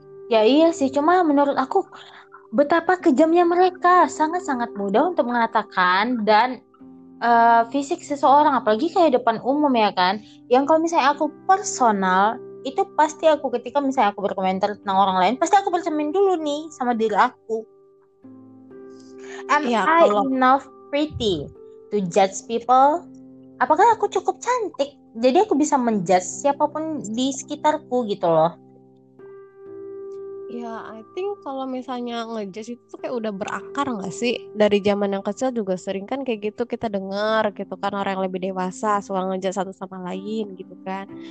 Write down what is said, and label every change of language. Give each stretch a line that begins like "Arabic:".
Indonesian: Ya iya sih, cuma menurut aku betapa kejamnya mereka, sangat-sangat mudah untuk mengatakan dan fisik seseorang, apalagi kayak depan umum ya kan. Yang kalau misalnya aku personal, itu pasti aku ketika misalnya aku berkomentar tentang orang lain, pasti aku bercermin dulu nih sama diri aku.
English: Am
Indonesian: Iya,
English: I
Indonesian: kalau
English: enough pretty to judge people?
Indonesian: Apakah aku cukup cantik? Jadi aku bisa menjudge siapapun di sekitarku gitu loh. ya,
English: I think
Indonesian: kalau misalnya ngejudge itu kayak udah berakar nggak sih? Dari zaman yang kecil juga sering kan kayak gitu kita dengar gitu kan orang yang lebih dewasa suka ngejudge satu sama lain gitu kan.